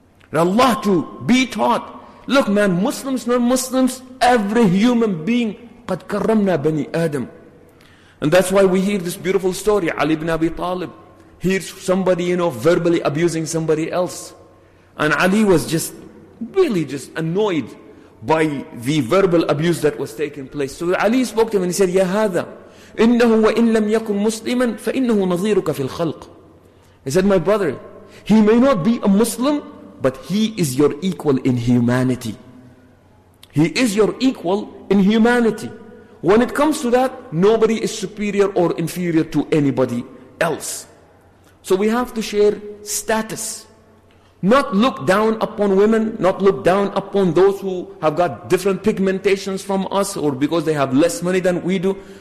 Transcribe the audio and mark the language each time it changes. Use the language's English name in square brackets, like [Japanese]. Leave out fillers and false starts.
[English] And Allah to be taught. Look, man, Muslims, non-Muslims, every human being, [Arabic] قَدْ كَرَّمْنَا بَنِي آدَمْ. [English] And that's why we hear this beautiful story, Ali ibn Abi Talib. Here's somebody, you know, verbally abusing somebody else. And Ali was just, really just annoyed by the verbal abuse that was taking place. So Ali spoke to him and he said, [Arabic] يَا هَذَا إِنَّهُ وَإِنْ لَمْ يَكُنْ مُسْلِمًا فَإِنَّهُ نَظِيرُكَ فِي الْخَلْقِ. [English] He said, my brother, he may not be a Muslim, but he is your equal in humanity. He is your equal in humanity. When it comes to that, nobody is superior or inferior to anybody else. So we have to share status. Not look down upon women, not look down upon those who have got different pigmentations from us or because they have less money than we do.